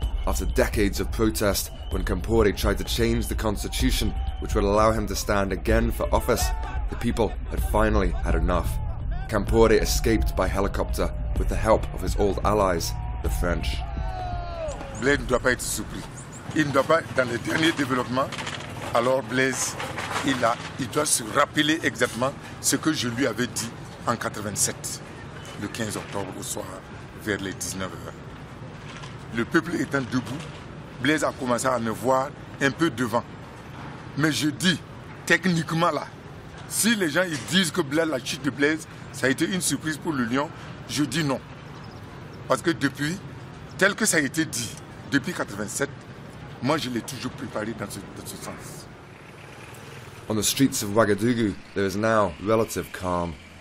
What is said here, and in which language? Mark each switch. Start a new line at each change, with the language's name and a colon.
English: After decades of protest, when Compaoré tried to change the constitution, which would allow him to stand again for office, the people had finally had enough. Compaoré escaped by helicopter with the help of his old allies, the French.
French: Blaise ne doit pas être surpris. Il ne doit pas, dans les derniers développements, alors Blaise, il doit se rappeler exactement ce que je lui avais dit en 87, le 15 octobre au soir, vers les 19h. Le peuple étant debout, Blaise a commencé à me voir un peu devant. Mais je dis, techniquement là, si les gens ils disent que Blaise, la chute de Blaise, ça a été une surprise pour le Lion, je dis non. Parce que depuis, tel que ça a été dit, depuis 87, moi je l'ai toujours préparé dans ce sens.
English: On the streets of Ouagadougou, there is now relative calm.